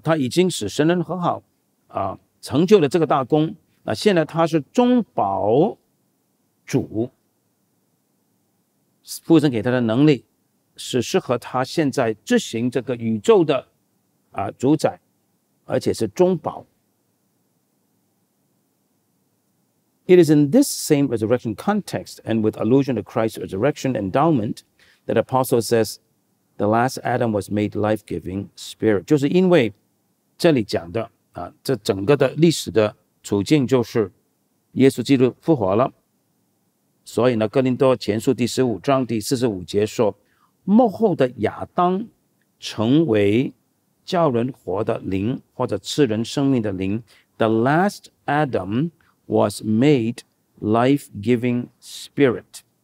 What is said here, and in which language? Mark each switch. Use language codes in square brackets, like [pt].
[zh] 他已经使神人和好啊，成就了这个大功，那现在他是中保主，父神给他的能力是适合他现在执行这个宇宙的啊主宰，而且是中保。 [en] It is in this same resurrection context and with allusion to Christ's resurrection endowment that Apostle says the last Adam was made life-giving spirit。 [zh] 就是因为这里讲的啊，这整个的历史的处境就是耶稣基督复活了，所以呢，哥林多前书第十五章第四十五节说，末后的亚当成为叫人活的灵，或者赐人生命的灵。 [en] The last Adam was made life-giving spirit。